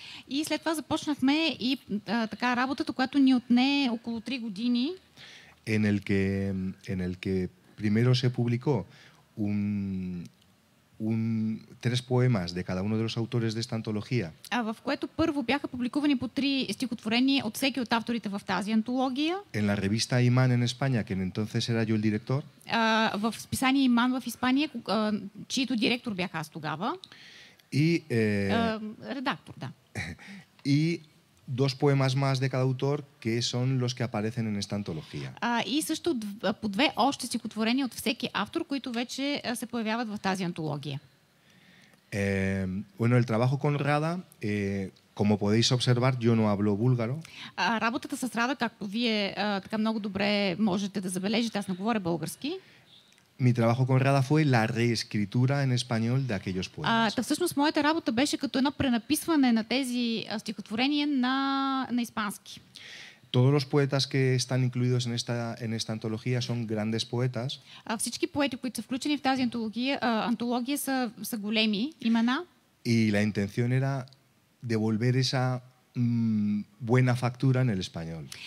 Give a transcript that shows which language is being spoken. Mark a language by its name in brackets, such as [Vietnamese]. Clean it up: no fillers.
[Bulgarian] И след това започнахме и така работата, която ни отне около 3 години. [Spanish] En el que primero se publicó un 3 poemas de cada uno de los autores de esta antología. [Bulgarian] А в което първо бяха публикувани по 3 стихотворения от всеки от авторите в тази антология. [Spanish] En la revista Imán en España, que en entonces era yo el director. [Bulgarian] В списание Imán в Испания, чийто директор бях аз тогава. [Spanish] Y [Bulgarian] редактор, да. [Spanish] Y 2 poemas más de cada autor que son los que aparecen en esta antología. [Bulgarian] И също по 2 още стихотворения от всеки автор, които вече се появяват в тази антология. [Spanish] Bueno, el trabajo con Rada, como podéis observar, yo no hablo búlgaro. [Bulgarian] Работата с Рада, както вие така много добре можете да забележите, аз не говоря български. [Spanish] Mi trabajo con Rada fue la reescritura en español de aquellos poemas. [Bulgarian] Всъщност моята работа беше като едно пренаписване на тези стихотворения на испански. [Spanish] Todos los poetas que están incluidos en esta antología son grandes poetas. [Bulgarian] Всички поети, които са включени в тази антология са големи имена. [Spanish] Y la intención era devolver esa buena factura en el español.